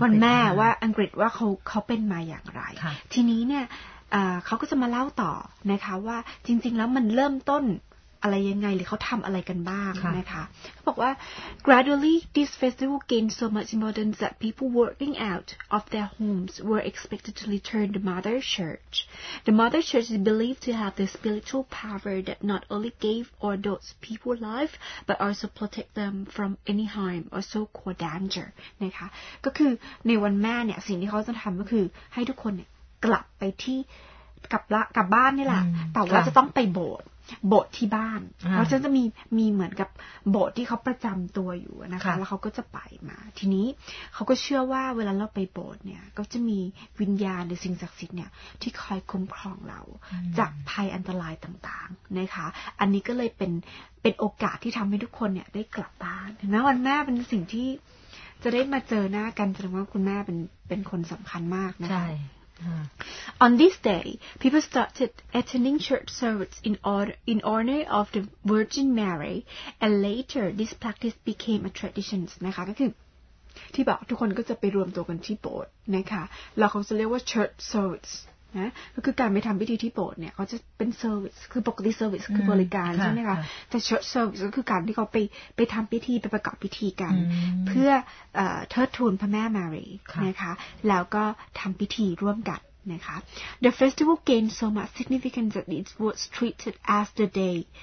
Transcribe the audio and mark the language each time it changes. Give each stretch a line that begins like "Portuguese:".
Thai: วันแม่ว่าอังกฤษว่าเขาเป็นมาอย่างไรทีนี้เนี่ยเขาก็จะมาเล่าต่อนะคะว่าจริงๆแล้วมันเริ่มต้นอะไรยังไงหรือเขาทำอะไรกันบ้างนะคะเขาบอกว่า
English: gradually this festival gained so much importance that people working out of their homes were expected to return the mother church. The mother church is believed to have the spiritual power that not only gave or those people life but also protect them from any harm or so-called danger.
Thai: นะคะก็คือในวันแม่เนี่ยสิ่งที่เขาจะทำก็คือให้ทุกคนเนี่ยกลับไปที่กลับบ้านนี่แหละแต่ว่าจะต้องไปโบสถ์ที่บ้านเพราะฉันจะมีเหมือนกับโบสถ์ที่เขาประจำตัวอยู่นะคะแล้วเขาก็จะไปมาทีนี้เขาก็เชื่อว่าเวลาเราไปโบสถ์เนี่ยก็จะมีวิญญาณหรือสิ่งศักดิ์สิทธิ์เนี่ยที่คอยคุ้มครองเรา จากภัยอันตรายต่างๆนะคะอันนี้ก็เลยเป็นโอกาสที่ทำให้ทุกคนเนี่ยได้กลับบ้านเห็นไหมวันแม่เป็นสิ่งที่จะได้มาเจอหน้ากันแสดงว่าคุณแม่เป็นคนสำคัญมากนะคะ ใช่
English: On this day, people started attending church services in honor of the Virgin Mary, and later this practice became a tradition.
Thai: นะคะก็คือที่บอกทุกคนก็จะไปรวมตัวกันที่โบสถ์นะคะเราเขาจะเรียกว่า church service น นะคือการไปทำพิธีที่โบสถ์เนี่ยเขาจะเป็นเซอร์วิสคือปกติเซอร์วิสคือบริการใช่ไหมคะแต่เชิร์ชเซอร์วิสก็คือการที่เขาไปทำพิธีไปประกอบพิธีกันเพื่อเทิดทูนพระแม่มารีนะคะแล้วก็ทำพิธีร่วมกันนะคะ
English: The festival gained so much significance that it was treated as the day